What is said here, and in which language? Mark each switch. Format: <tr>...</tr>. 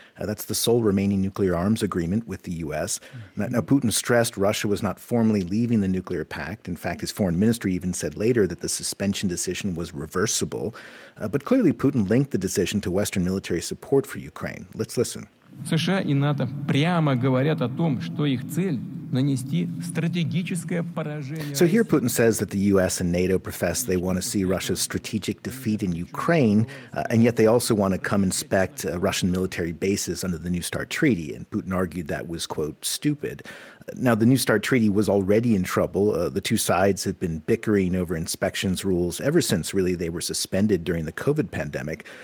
<en>That's the sole remaining nuclear arms agreement with the U.S. Now, Putin stressed Russia was not formally leaving the nuclear pact. In fact, his foreign ministry even said later that the suspension decision was reversible. But clearly, Putin linked the decision to Western military support for Ukraine. Let's listen.</en> <ru>США и НАТО прямо говорят о том, что их цель – нанести стратегическое поражение.</ru> <en>So here Putin says that the U.S. and NATO profess they want to see Russia's strategic defeat in Ukraine, and yet they also want to come inspect Russian military bases under the New START Treaty. And Putin argued that was, quote, stupid. Now, the New START Treaty was already in trouble. The two sides had been bickering over inspections rules ever since, really, they were suspended during the COVID pandemic.</en>